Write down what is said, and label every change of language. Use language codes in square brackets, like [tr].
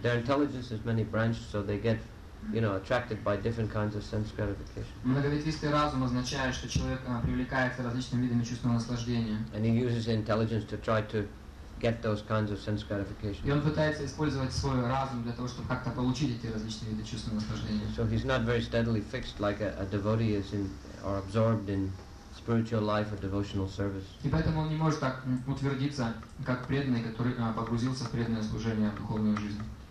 [en] Their intelligence is many branched, so they get attracted by different kinds of sense gratification. [ru] Многоветвистый разум означает, что человек привлекается различными видами чувственного наслаждения. [en] And he uses intelligence to try to get those kinds of sense gratification. [ru] И он пытается использовать свой разум для того, чтобы как-то получить эти различные виды чувственного наслаждения. [en] So he's not very steadily fixed like a devotee is in or absorbed in spiritual life or devotional service. [ru] И поэтому он не может так утвердиться, как преданный, который погрузился в преданное служение, в духовную жизнь.